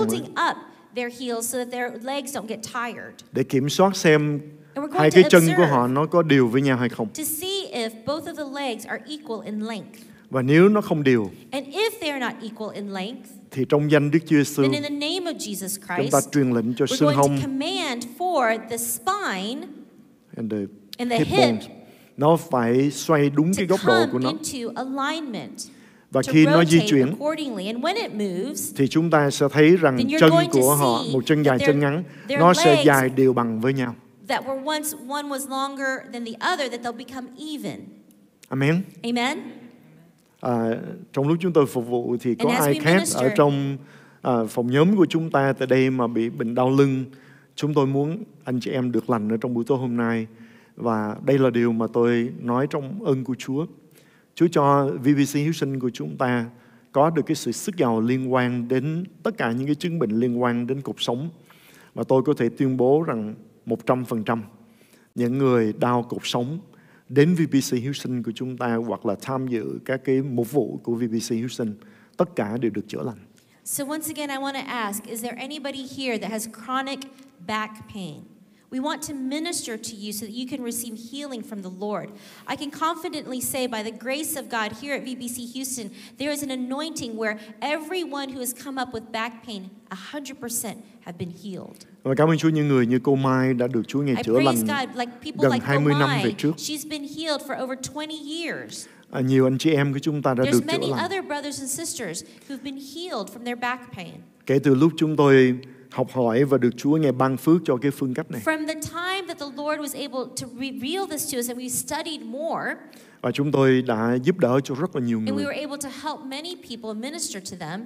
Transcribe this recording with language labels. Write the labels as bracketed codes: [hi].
[en] holding up their heels so that their legs don't get tired. [vi] Để kiểm soát xem hai cái chân của họ nó có đều với nhau hay không. [en] To see if both of the legs are equal in length. [vi] Và nếu nó không đều. [en] And if they're not equal in length. [vi] Thì trong danh Đức Chúa Jesus, [en] in the name of Jesus Christ, [vi] chúng ta truyền lệnh cho xương hông [en] command for the spine and the hip bones. [vi] Nó phải xoay đúng cái góc độ của nó. [en] Into alignment. [vi] Và khi nó di chuyển [en] accordingly. And when it moves, [vi] thì chúng ta sẽ thấy rằng chân của họ, một chân dài chân ngắn, nó sẽ dài đều bằng với nhau. [en] That were once one was longer than the other, that they'll become even. Amen. Amen. [vi] Trong lúc chúng tôi phục vụ thì có ai khác ở trong phòng nhóm của chúng ta tại đây mà bị bệnh đau lưng. Chúng tôi muốn anh chị em được lành ở trong buổi tối hôm nay. Và đây là điều mà tôi nói trong ơn của Chúa. Chúa cho VBC Hiếu Sinh của chúng ta có được cái sự sức giàu liên quan đến tất cả những cái chứng bệnh liên quan đến cuộc sống. Và tôi có thể tuyên bố rằng 100% những người đau cuộc sống đến VBC Hiếu Sinh của chúng ta hoặc là tham dự các cái mục vụ của VBC Hiếu Sinh, tất cả đều được chữa lành. [en] So once again, I want to ask, is there anybody here that has chronic back pain? We want to minister to you so that you can receive healing from the Lord. I can confidently say by the grace of God here at VBC Houston, there is an anointing where everyone who has come up with back pain 100% have been healed. [vi] Và cảm ơn Chúa những người như cô Mai đã được Chúa ngày chữa lành gần 20 năm về trước. [en] She's been healed for over 20 years. [vi] Nhiều anh chị em của chúng ta đã được chữa lành. [en] There's many other brothers and sisters who've been healed from their back pain. [vi] Kể từ lúc chúng tôi học hỏi và được Chúa ngài ban phước cho cái phương cách này. [en] From the time that the Lord was able to reveal this to us and we studied more. [vi] Và chúng tôi đã giúp đỡ cho rất là nhiều người. [en] And we were able to help many people and minister to them.